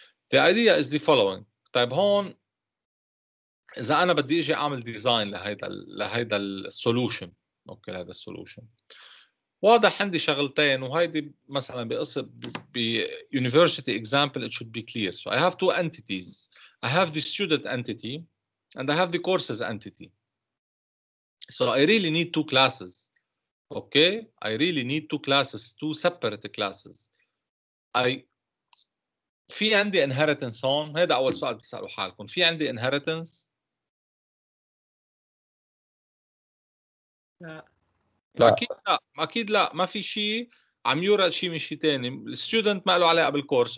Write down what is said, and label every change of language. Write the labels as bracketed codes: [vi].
[en] The idea is the following. [ar] طيب هون اذا انا بدي اجي اعمل ديزاين لهيدا السولوشن. اوكي لهذا السولوشن واضح عندي شغلتين وهيدي مثلا بقصب بيونيفرسيتي اكزامبل [en] it should be clear. So I have two entities. I have the student entity and I have the courses entity. So I really need two classes. Okay, I really need two classes, two separate classes. [ar] في عندي inheritance هون. هذا أول سؤال بتسألوا حالكم. في عندي inheritance؟ لا. أكيد لا. أكيد لا. ما في شيء عم يورق شيء من شيء تاني. الستودنت ما قالوا عليه قبل الكورس.